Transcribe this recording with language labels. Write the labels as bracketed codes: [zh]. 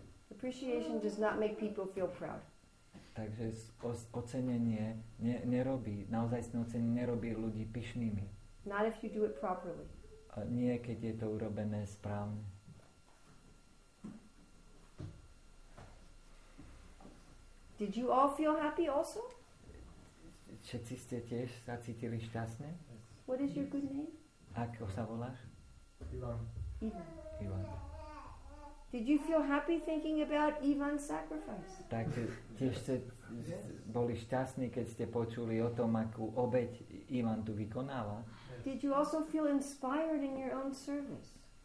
[en] Appreciation does not make people feel proud. [sk] Takže ocenenie nerobí, naozajstné ocenenie nerobí ľudí pyšnými. [en] Not if you do it properly. [sk] Nie, keď je to urobené správne. [en] Did you all feel happy also? [sk] Všetci ste tiež sa cítili šťastne? [en] What is your good name? [sk] Ako sa voláš? Ivan. [en] Did you feel happy thinking about Ivan's sacrifice? [sk] Tak tiež ste boli šťastní, keď ste počuli o tom, akú obeť Ivan tu vykonáva. [en] Did you also feel inspired in your own service?